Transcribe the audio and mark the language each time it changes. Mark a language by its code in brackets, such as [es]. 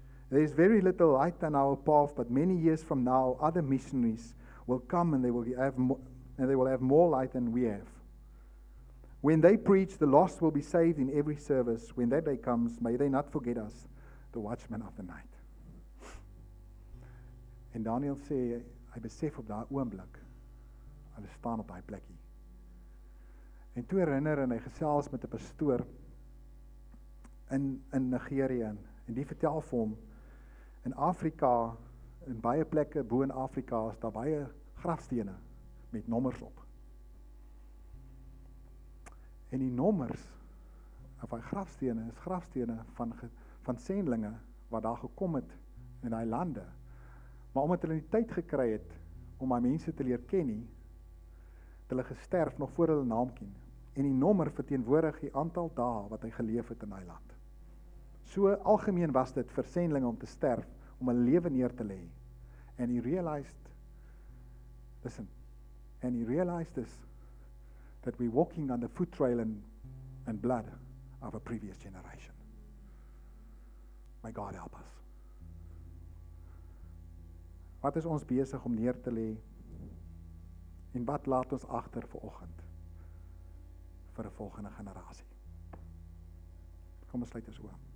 [en] There is very little light on our path, but many years from now, other missionaries will come and they will have more light than we have. When they preach, the lost will be saved in every service. When that day comes, may they not forget us, the watchmen of the night. [af] En Daniel sê, hy besef op daai oomblik, hulle staan op daai plekkie. En toe herinner en hy gesels met 'n pastoor in Nigeria en die vertel vir hom, in Afrika, in baie plekke bo in Afrika, is daar baie grafstene met nommers op. En die nommers, of die grafstene, is grafstene van sendlinge wat daar gekom het in die lande. Maar omdat hulle die tyd gekry het om die mense te leer ken, het hulle gesterf nog voor hulle naam ken. En die nommer verteenwoordig die aantal dae wat hy geleef het in die land. So algemeen was dit vir sendlinge om te sterf, om 'n lewe neer te lê. [en] And he realized, listen, and he realized this, that we're walking on the foot trail and blood of a previous generation. My God, help us. [af] Wat is ons besig om neer te lê? En wat laat ons agter vir oggend? vir 'n volgende generasie. Kom ons sluit ons oë.